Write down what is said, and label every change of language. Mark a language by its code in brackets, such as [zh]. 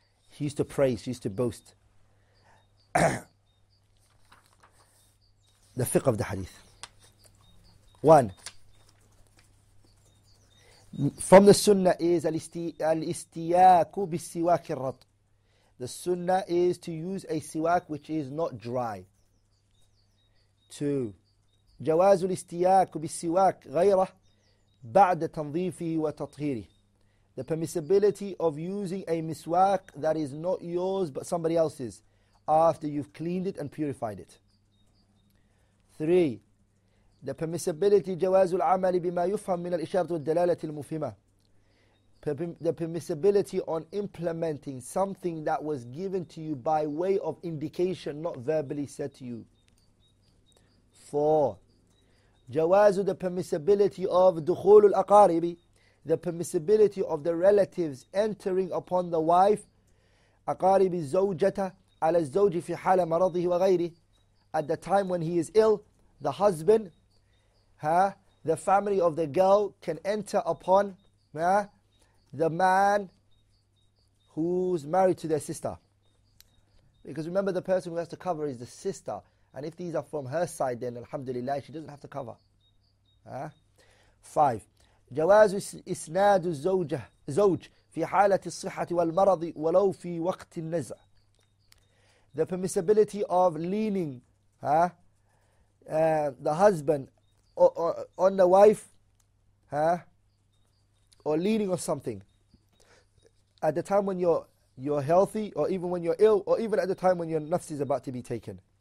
[en] He used to praise, he used to boast. The fiqh of the hadith. One, from the sunnah is [ar] al-istiyaku bi-siwaki al-rat. [en] The sunnah is to use a siwak which is not dry. Two, [ar] جواز الاستياك بالسواك غيره بعد تنظيفه وتطهيره. [en] The permissibility of using a miswak that is not yours but somebody else's after you've cleaned it and purified it. Three, the permissibility [ar] جواز العمل بما يفهم من الإشارة والدلالة المفهمة. [en] The permissibility on implementing something that was given to you by way of indication, not verbally said to you. Four, [ar] جَوَازُ, [en] the permissibility of [ar] دُخُولُ الْأَقَارِبِ, [en] the permissibility of the relatives entering upon the wife, [ar] أَقَارِبِ زَوْجَتَ عَلَى الزَّوْجِ فِي حَالَ مَرَضِهِ وَغَيْرِهِ, [en] at the time when he is ill, the husband, the family of the girl can enter upon the man who's married to their sister. Because remember, the person who has to cover is the sister. And if these are from her side, then alhamdulillah, she doesn't have to cover. Five. [ar] جواز إسناد الزوجة زوج في حالة الصحة والمرض ولو في وقت النزع. [en] The permissibility of leaning the husband on the wife or leaning on something at the time when you're healthy, or even when you're ill, or even at the time when your nafs is about to be taken.